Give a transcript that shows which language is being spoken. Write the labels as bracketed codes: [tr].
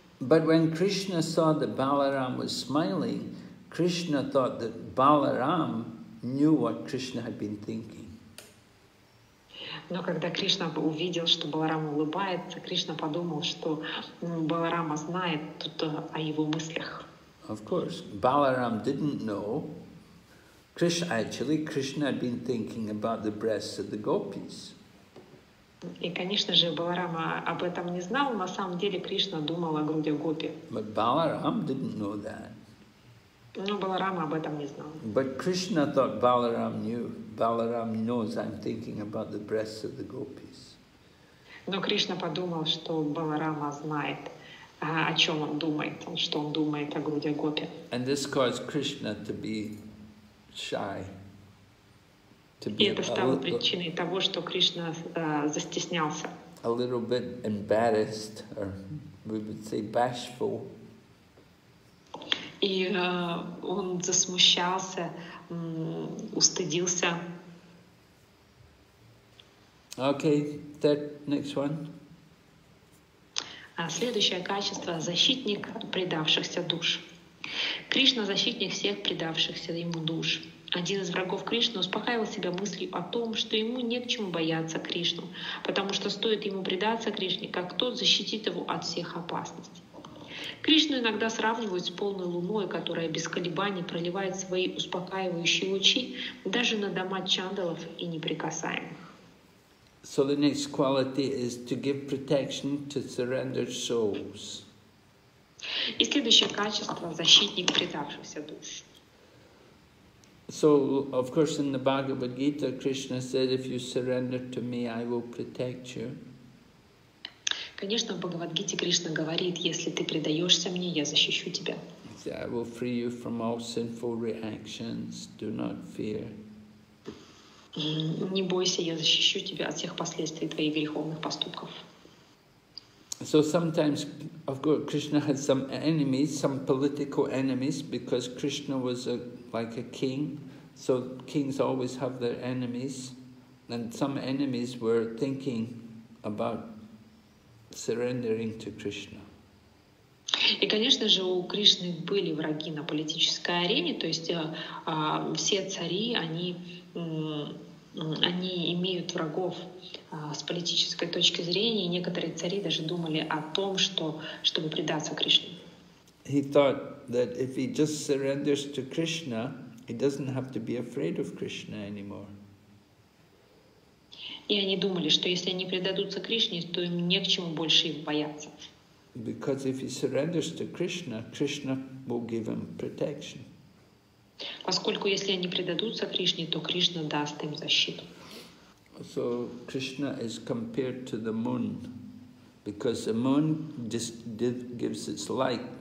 [en] But when Krishna saw that Balaram was smiling, Krishna thought that Balaram knew what Krishna had been thinking. [ru] Но когда Кришна увидел, что Баларама улыбается, Кришна подумал, что Баларама знает тут о его мыслях. [en] Of course, Balaram didn't know. Krishna had been thinking about the breasts of the gopis. [ru] И, конечно же, Баларама об этом не знал, на самом деле Кришна думал о груди гопи. [en] But Balaram didn't know that. [ru] Но Баларама об этом не знал. [en] But Krishna thought Balaram knew. Balaram knows I'm thinking about the breasts of the gopis. [ru] Но Кришна подумал, что Баларама знает, о чем он думает, что он думает о груди гопи. [en] And this caused Krishna to be shy. [ru] И это стало причиной того, что Кришна застеснялся. [en] A little bit embarrassed, or we would say bashful. [ru] И он засмущался, устыдился. [en] Okay, third, next one. [ru] Следующее качество – защитник предавшихся душ. Кришна – защитник всех предавшихся ему душ. Один из врагов Кришны успокаивал себя мыслью о том, что ему не к чему бояться Кришну, потому что стоит ему предаться Кришне, как тот защитит его от всех опасностей. Кришну иногда сравнивают с полной луной, которая без колебаний проливает свои успокаивающие лучи даже на дома чандалов и неприкасаемых. [en] So the next quality is to give protection to surrendered souls. [ru] И следующее качество – защитник предавшихся душ. [en] So, of course, in the Bhagavad Gita, Krishna said, if you surrender to me, I will protect you. [ru] Конечно, в Бхагавад-гите Кришна говорит, если ты предаешься мне, я защищу тебя. [en] So I will free you from all sinful reactions. Do not fear. [ru] Не бойся, я защищу тебя от всех последствий твоих греховных поступков. [en] So sometimes, of course, Krishna had some enemies, some political enemies, because Krishna was like a king, so kings always have their enemies, and some enemies were thinking about surrendering to Krishna. [ru] И, конечно же, у Кришны были враги на политической арене, то есть все цари, они имеют врагов с политической точки зрения, и некоторые цари даже думали о том, чтобы предаться Кришне. [en] He thought that if he just surrenders to Krishna, he doesn't have to be afraid of Krishna anymore. [ru] И они думали, что если они предадутся Кришне, то им не к чему больше их бояться. [en] Because if he surrenders to Krishna, Krishna will give him protection. [ru] Поскольку если они предадутся Кришне, то Кришна даст им защиту. [en] So Krishna is compared to the moon, because the moon just gives its light.